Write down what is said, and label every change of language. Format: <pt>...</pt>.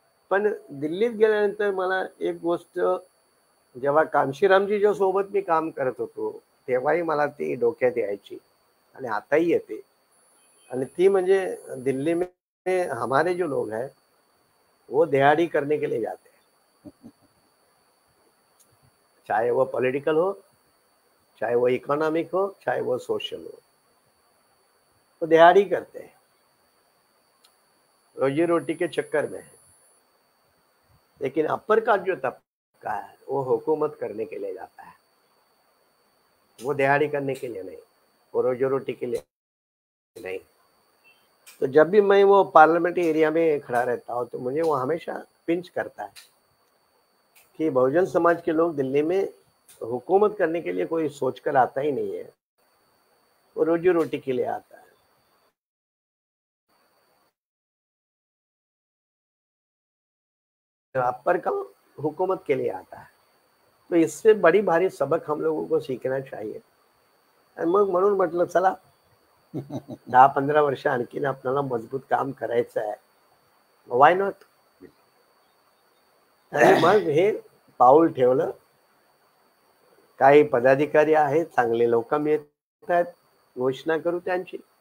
<mr>पण दिल्लीत गेल्यानंतर मला एक गोष्ट, जेव्हा कांशीरामजी जो सोबत मी काम करत होतो तेव्हाही मला ती डोक्यात यायची आणि आताही येते, आणि ती म्हणजे</mr> <hi>दिल्ली में हमारे जो लोग हैं वो दिहाड़ी करने के लिए जाते हैं. चाहे वो पॉलिटिकल हो, चाहे वो इकोनॉमिक हो, चाहे वो सोशल हो, वो दिहाड़ी करते हैं, रोजी रोटी के चक्कर में है। लेकिन अपर का जो तबका है वो हुकूमत करने के लिए जाता है, वो दिहाड़ी करने के लिए नहीं, वो रोजी रोटी के लिए नहीं। तो जब भी मैं वो पार्लियामेंट एरिया में खड़ा रहता हूँ तो मुझे वो हमेशा पिंच करता है कि बहुजन समाज के लोग दिल्ली में हुकूमत करने के लिए कोई सोच कर आता ही नहीं है, वो रोजी रोटी के लिए आता है। अपर का हुकूमत के लिए आता है, तो इससे बड़ी भारी सबक हम लोगों को सीखना चाहिए।</hi> <mr>म्हणून म्हटलं चला 10-15 वर्ष आणखीन आपल्याला मजबूत काम करायचं आहे,</mr> <en>Why not.</en> <mr>मग हे पाऊल ठेवलं, काही पदाधिकारी आहेत चांगले लोक मिळत आहेत, घोषणा करू त्यांची।</mr>